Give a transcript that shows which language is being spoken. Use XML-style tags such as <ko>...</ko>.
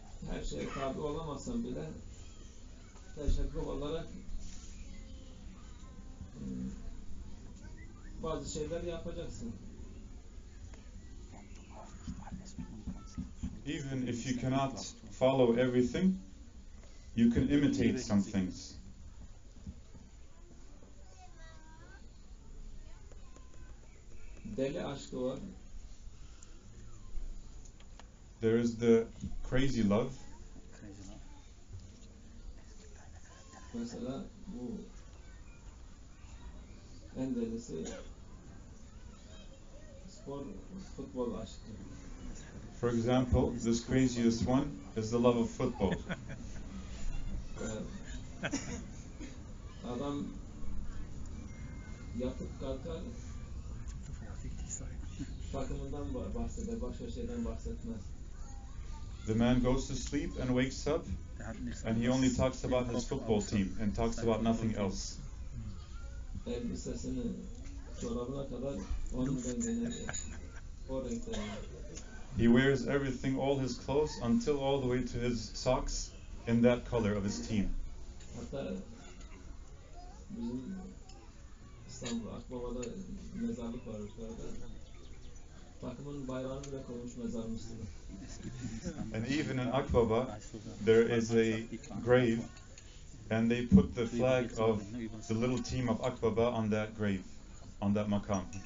<tr>Her şeye tabi olamasam bile teşekkür olarak bazı şeyler yapacaksın.</tr> <en>Even if you cannot follow everything, you can imitate some things.</en> <tr>Deli aşkı var.</tr> <en>There is the crazy love.</en> <tr>Mesela bu en delisi spor, futbol aşkı.</tr> <en>For example, this craziest one is the love of football.</en> <tr>Adam yatıp kalkar, takımından bahseder, başka şeyden bahsetmez.</tr> <en>The man goes to sleep and wakes up and he only talks about his football team and talks about nothing else.</en> <tr>Elbisesini çorabına kadar onun o renkte.</tr> <en>He wears everything, all his clothes, until all the way to his socks, in that color of his team.</en> <tr>Hatta bizim İstanbul Akbaba'da mezarlık var orada. Takımın bayrağını bile koymuş mezarımızda.</tr> <en>And even in Akbaba, there is a grave, and they put the flag of the little team of Akbaba on that grave, on that makam.</en>